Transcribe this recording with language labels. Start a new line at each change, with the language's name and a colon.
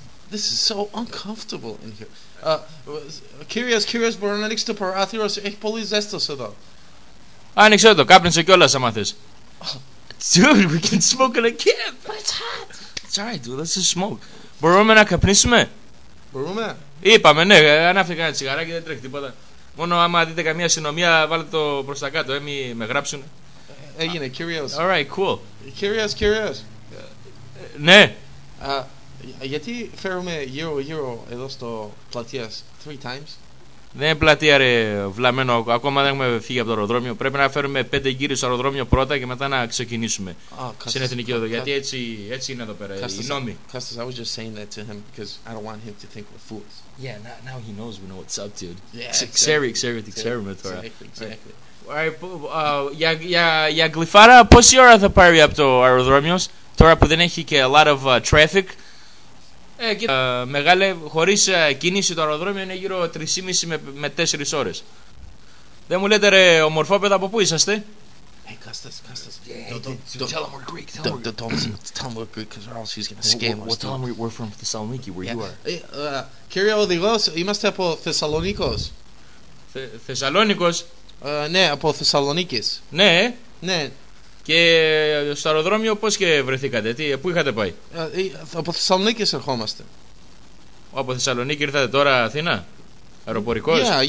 English: This is so uncomfortable in here.
Greek: Curious, μπορώ να ανοίξω το παράθυρο. Έχει πολύ ζέστος εδώ. Άνοιξε το, κάπνισε κιόλας, άμα θες.
English: Dude, we can smoke in a camp. But it's hot. It's alright, dude, let's just smoke.
Greek: Μπορούμε να καπνίσουμε. Μπορούμε. Είπαμε, ναι, ανάφτηκα ένα τσιγαράκι, δεν τρέχει τίποτα. Μόνο άμα δείτε καμία αστυνομία, βάλτε το προς τα κάτω, μη με γράψουν. Έγινε, curious.
English: Alright, cool. Curious.
Greek: Ναι. Γιατί φέρουμε γύρω εδώ στο πλατείας,
English: 3 times.
Greek: Δεν είναι πλατεία, ρε βλαμμένο, ακόμα δεν έχουμε φύγει από το αεροδρόμιο. Πρέπει να φέρουμε 5 γύρους στο αεροδρόμιο πρώτα και μετά να ξεκινήσουμε. Στην εθνική οδό, γιατί έτσι είναι εδώ πέρα, οι νόμοι.
English: Κάστας, I was just saying that to him because I don't want him to think we're fools. Yeah, now he knows we know what's up, dude.
Greek: Ξέρουμε τώρα.
English: Exactly.
Greek: Για γλυφάρα, πόση ώρα θα πάρει από το αεροδρόμιο, τώρα που δεν έχει και
English: a lot of traffic.
Greek: Μεγάλε, χωρίς κίνηση το αεροδρόμιο είναι γύρω 3,5 με 4 ώρες. Δεν μου λέτε, ρε ομορφόπεδα, από πού είσαστε?
English: Hey, Costas. Tell him we're Greek. Tell him we're Greek, because else he's going to scam us. Well, tell him we're from Thessaloniki, where you are.
Greek: Κύριε Οδηγός, είμαστε από Θεσσαλονίκος. Θεσσαλονίκος? Ναι, από Θεσσαλονίκης. Ναι. Ναι. Και στο αεροδρόμιο πώς και βρεθήκατε, πού είχατε πάει? Από Θεσσαλονίκη ερχόμαστε. Από Θεσσαλονίκη ήρθατε τώρα Αθήνα, αεροπορικός?